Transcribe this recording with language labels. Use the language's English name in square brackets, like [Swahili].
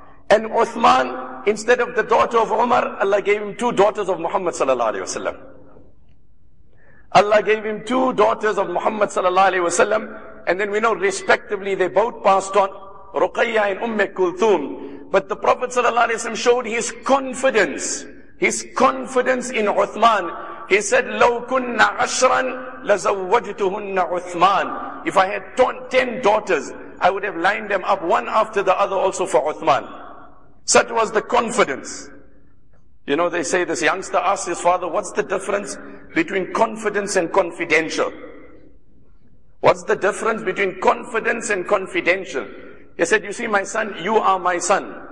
[English] And Uthman, instead of the daughter of Umar, Allah gave him two daughters of Muhammad sallallahu alayhi wa sallam. Allah gave him two daughters of Muhammad sallallahu alayhi wa sallam. And then we know respectively they both passed on, Ruqayya and Umme Kulthum. But the Prophet sallallahu alayhi wa sallam showed his confidence in Uthman. He said, [Arabic] لَوْ كُنَّ عَشْرًا لَزَوَّجْتُهُنَّ عُثْمَانِ. [English] If I had 10 daughters, I would have lined them up one after the other also for Uthman. Such was the confidence. You know, they say this youngster asks his father, what's the difference between confidence and confidential? What's the difference between confidence and confidential? He said, you see, my son, you are my son.